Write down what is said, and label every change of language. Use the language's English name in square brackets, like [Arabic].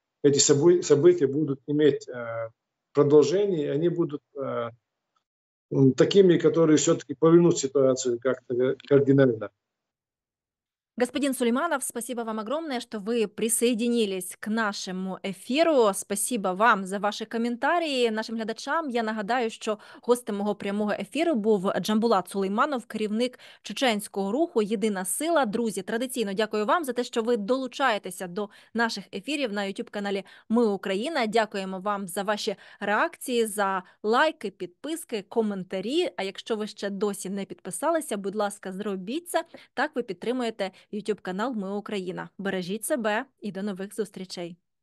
[Russian] эти события будут иметь продолжение, и они будут такими, которые все-таки повернут ситуацию как-то кардинально. Господин Сулейманов, спасибо вам огромное, что вы присоединились к нашему ефіру. Спасибо вам [Ukrainian] за ваші коментарі. Нашим глядачам я нагадаю, що гостем мого прямого ефіру був Джамбулат Сулейманов, керівник чеченського руху «Єдина сила». Друзі, традиційно дякую вам за те, що ви долучаєтеся до наших ефірів на YouTube-каналі «Ми Україна». Дякуємо вам за ваші реакції, за лайки, підписки, коментарі. А якщо ви ще досі не підписалися, будь ласка, зробіть це. Так ви підтримуєте YouTube-канал «Ми Україна». Бережіть себе і до нових зустрічей.